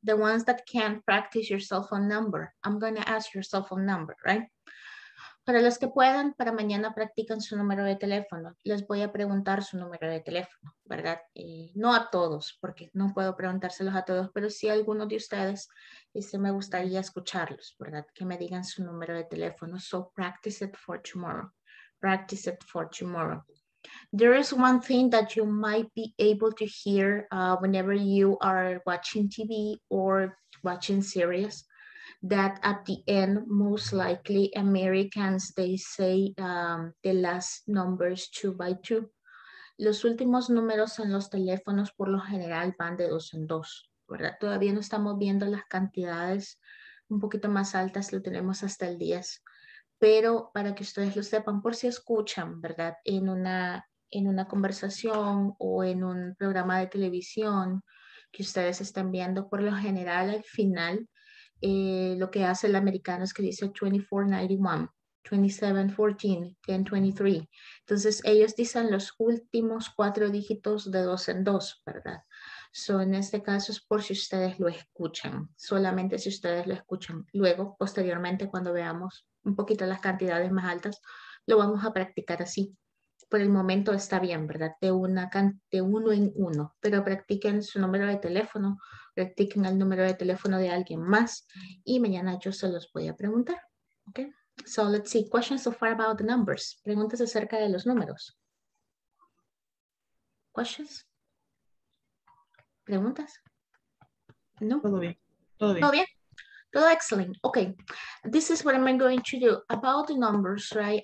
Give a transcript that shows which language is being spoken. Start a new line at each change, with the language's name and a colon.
English: The ones that can't practice your cell phone number, I'm going to ask your cell phone number, right?
Spanish: Para los que puedan, para mañana practican su número de teléfono. Les voy a preguntar su número de teléfono, ¿verdad? Y no a todos, porque no puedo preguntárselos a todos, pero sí a algunos de ustedes. Y se me gustaría escucharlos, ¿verdad? Que me digan su número de teléfono.
English: So practice it for tomorrow. Practice it for tomorrow. There is one thing that you might be able to hear whenever you are watching TV or watching series, that at the end, most likely Americans, they say the last numbers 2x2.
Spanish: Los últimos números en los teléfonos por lo general van de 2 en 2, ¿verdad? Todavía no estamos viendo las cantidades un poquito más altas, lo tenemos hasta el 10. Pero para que ustedes lo sepan, por si escuchan, ¿verdad? En una conversación o en un programa de televisión que ustedes estén viendo, por lo general, al final, lo que hace el americano es que dice 2491, 2714, 1023. Entonces, ellos dicen los últimos 4 dígitos de 2 en 2, ¿verdad? So, en este caso es por si ustedes lo escuchan, solamente si ustedes lo escuchan. Luego, posteriormente, cuando veamos un poquito las cantidades más altas, lo vamos a practicar así. Por el momento está bien, ¿verdad? De uno en uno, pero practiquen su número de teléfono, practiquen el número de teléfono de alguien más y mañana yo se los voy a preguntar.
English: Okay? So let's see, questions so far about the numbers.
Spanish: Preguntas acerca de los números.
English: Questions?
Spanish: ¿Preguntas?
English: No.
Spanish: Todo bien.
English: Well, excellent. Okay, this is what I'm going to do about the numbers, right?